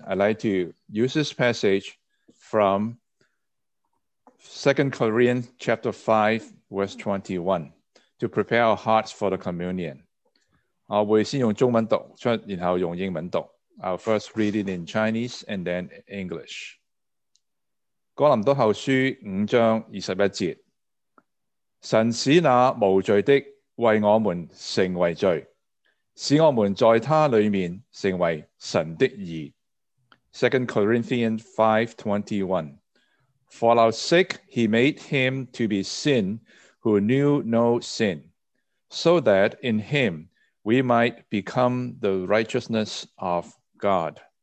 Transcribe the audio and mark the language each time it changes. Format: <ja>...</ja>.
<en>I'd like to use this passage from 2 Corinthians chapter 5 verse 21 to prepare our hearts for the communion.</en> <zh>我会先用中文读出，然后用英文读。</zh> <en>I'll first read it in Chinese and then English。</en> <zh>哥林多后书五章二十一节，神使那无罪的为我们成为罪，使我们在他里面成为神的义。</zh> <en>2 Corinthians 5:21 For our sake he made him to be sin who knew no sin, so that in him we might become the righteousness of God.</en>